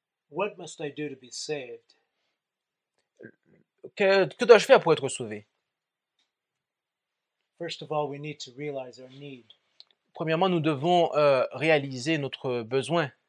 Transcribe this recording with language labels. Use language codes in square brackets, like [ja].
[en] What must I do to be saved? [fr] Que dois-je faire pour être sauvé? [en] First of all, we need to realize our need. [fr] Premièrement, nous devons réaliser notre besoin.